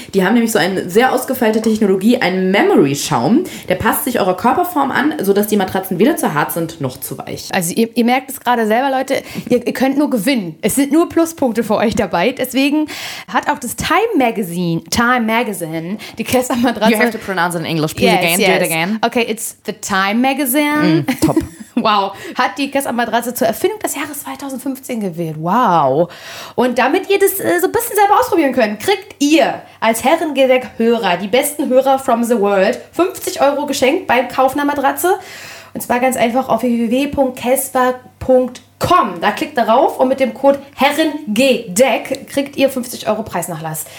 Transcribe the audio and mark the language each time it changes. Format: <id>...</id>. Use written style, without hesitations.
<de>Die haben nämlich so eine sehr ausgefeilte Technologie, einen Memory-Schaum. Der passt sich eurer Körperform an, sodass die Matratzen weder zu hart sind noch zu weich. Also ihr merkt es gerade selber, Leute, ihr könnt nur gewinnen. Es sind nur Pluspunkte für euch dabei. Deswegen hat auch das Time Magazine, die Casper-Matratze...</de> <en>You have to pronounce it in English, please. Do it again. Okay, it's the Time Magazine. Top.</en> <de>Wow, hat die Casper-Matratze zur Erfindung des Jahres 2015 gewählt. Wow. Und damit ihr das so ein bisschen selber ausprobieren könnt, kriegt ihr als Herrengedeck-Hörer, die besten Hörer</de> <en>from the world,</en> <de>50 Euro geschenkt beim Kauf einer Matratze. Und zwar ganz einfach auf www.casper.com. Da klickt darauf und mit dem Code HERRENGEDECK kriegt ihr 50 Euro Preisnachlass.</de>